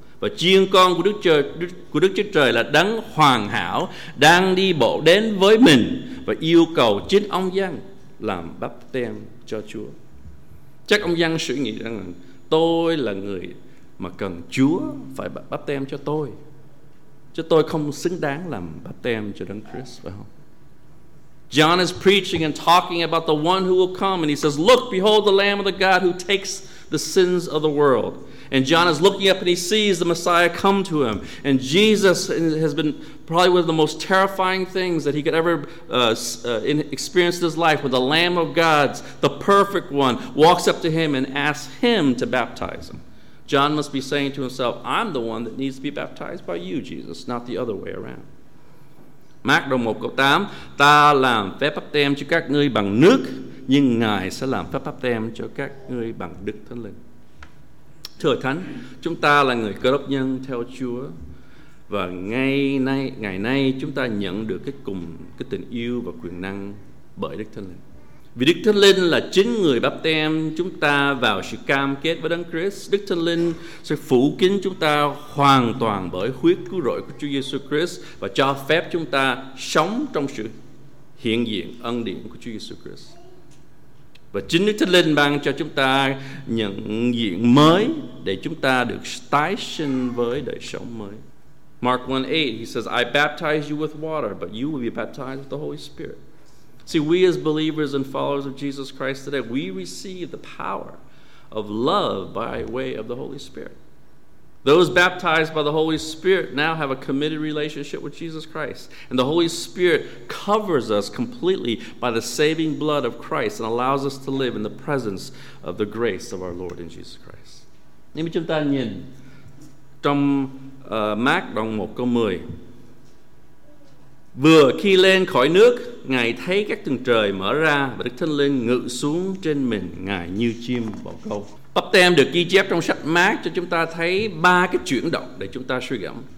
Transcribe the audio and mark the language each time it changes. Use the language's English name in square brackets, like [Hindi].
[Vietnamese] Và chiên con của Đức Chúa Trời là đấng hoàn hảo đang đi bộ đến với mình và yêu cầu chính ông Giăng làm báp tem cho Chúa. Chắc ông Giăng suy nghĩ rằng tôi là người mà cần Chúa phải báp tem cho tôi, chứ tôi không xứng đáng làm báp tem cho Đấng Christ, phải không? [English] John is preaching and talking about the one who will come, and he says, "Look, behold the Lamb of the God who takes the sins of the world." And John is looking up and he sees the Messiah come to him. And Jesus has been probably one of the most terrifying things that he could ever experience in his life, when the Lamb of God, the perfect one, walks up to him and asks him to baptize him. John must be saying to himself, "I'm the one that needs to be baptized by you, Jesus, not the other way around." [Vietnamese] Mác đoạn 1 câu 8: "Ta làm phép báp tem cho các ngươi bằng nước, nhưng Ngài sẽ làm phép báp tem cho các ngươi bằng Đức Thánh Linh." Thưa Thánh, chúng ta là người Cơ Đốc nhân theo Chúa, và ngày nay chúng ta nhận được cái tình yêu và quyền năng bởi Đức Thánh Linh. Vì Đức Thánh Linh là chính người báp têm chúng ta vào sự cam kết với Đấng Christ, Đức Thánh Linh sẽ phủ kín chúng ta hoàn toàn bởi huyết cứu rỗi của Chúa Giêsu Christ và cho phép chúng ta sống trong sự hiện diện ân điển của Chúa Giêsu Christ. Và chính Đức Thánh Linh ban cho chúng ta nhận diện mới để chúng ta được tái sinh với đời sống mới. [English] Mark 1:8, he says, I baptize you with water, but you will be baptized with the Holy Spirit. See, we as believers and followers of Jesus Christ today, we receive the power of love by way of the Holy Spirit. Those baptized by the Holy Spirit now have a committed relationship with Jesus Christ. And the Holy Spirit covers us completely by the saving blood of Christ and allows us to live in the presence of the grace of our Lord in Jesus Christ. [Vietnamese] Nếu mà chúng ta nhìn trong Mark đoạn 1 câu 10, vừa khi lên khỏi nước, Ngài thấy các tầng trời mở ra và Đức Thánh Linh ngự xuống trên mình Ngài như chim bồ câu. Báp têm được ghi chép trong sách Mác cho chúng ta thấy ba cái chuyển động để chúng ta suy gẫm.